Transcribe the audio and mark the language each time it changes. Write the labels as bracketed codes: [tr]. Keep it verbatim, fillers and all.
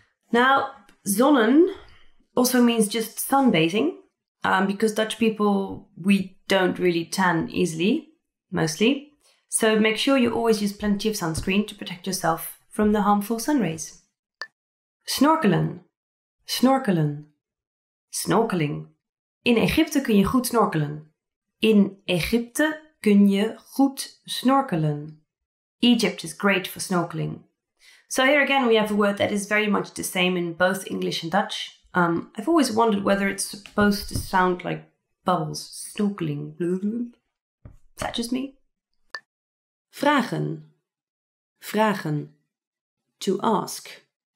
[en] Now, zonnen also means just sunbathing, um, because Dutch people, we don't really tan easily, mostly. So make sure you always use plenty of sunscreen to protect yourself from the harmful sun rays. [nl] Snorkelen. Snorkelen. Snorkeling. In Egypte kun je goed snorkelen. In Egypte kun je goed snorkelen. [en] Egypt is great for snorkeling. So here again we have a word that is very much the same in both English and Dutch. Um, I've always wondered whether it's supposed to sound like bubbles. Snorkeling. Is that just me? [nl] Vragen. Vragen. To ask.